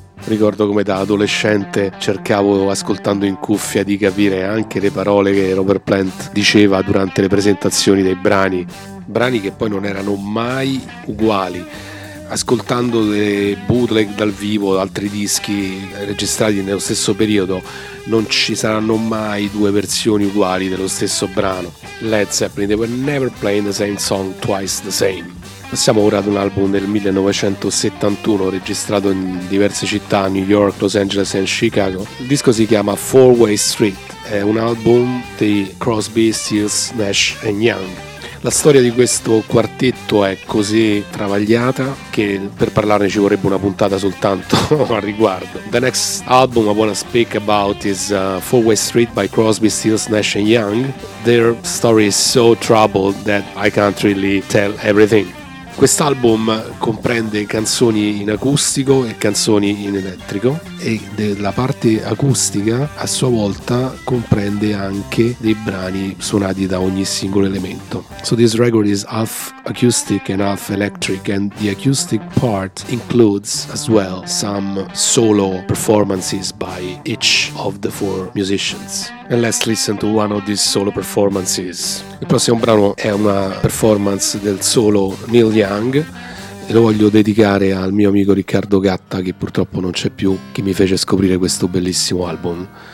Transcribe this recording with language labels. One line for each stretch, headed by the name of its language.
Italian: Ricordo come da adolescente cercavo, ascoltando in cuffia, di capire anche le parole che Robert Plant diceva durante le presentazioni dei brani. Brani che poi non erano mai uguali. Ascoltando dei bootleg dal vivo, altri dischi registrati nello stesso periodo, non ci saranno mai due versioni uguali dello stesso brano.
English: Led Zeppelin, they were never playing the same song twice the same.
Italian: Passiamo ora ad un album del 1971, registrato in diverse città, New York, Los Angeles e Chicago. Il disco si chiama Four Way Street, è un album di Crosby, Stills, Nash e Young. La storia di questo quartetto è così travagliata che per parlarne ci vorrebbe una puntata soltanto al riguardo.
English: The next album I wanna speak about is Four Way Street by Crosby, Stills, Nash & Young. Their story is so troubled that I can't really tell everything.
Italian: Quest'album comprende canzoni in acustico e canzoni in elettrico, e della parte acustica a sua volta comprende anche dei brani suonati da ogni singolo elemento.
English: So this record is half acoustic and half electric, and the acoustic part includes as well some solo performances by each of the four musicians. And let's listen to one of these solo performances.
Italian: Il prossimo brano è una performance del solo Neil Young, e lo voglio dedicare al mio amico Riccardo Gatta, che purtroppo non c'è più, che mi fece scoprire questo bellissimo album.